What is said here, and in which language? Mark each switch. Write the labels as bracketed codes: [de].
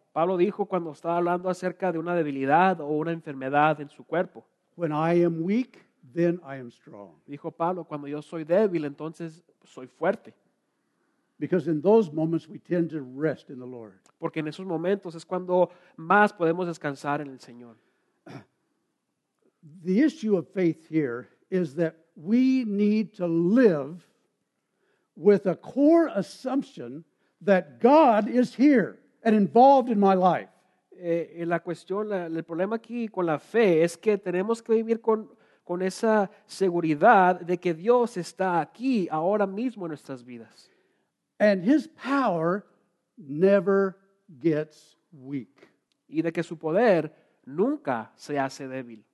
[es] Pablo dijo cuando estaba hablando acerca de una debilidad o una enfermedad en su cuerpo. [en] When I am weak, then I am strong. [es] Dijo Pablo, cuando yo soy débil, entonces soy fuerte. [en] Because in those moments we tend to rest in the Lord. [es] Porque en esos momentos es cuando más podemos descansar en el Señor. [en] The issue of faith here is that we need to live with a core assumption that God is here and involved in my life. [es] El problema aquí con la fe es que tenemos que vivir con esa seguridad de que Dios está aquí ahora mismo en nuestras vidas. [en] And His power never gets weak. [es] Y de que su poder nunca se hace débil.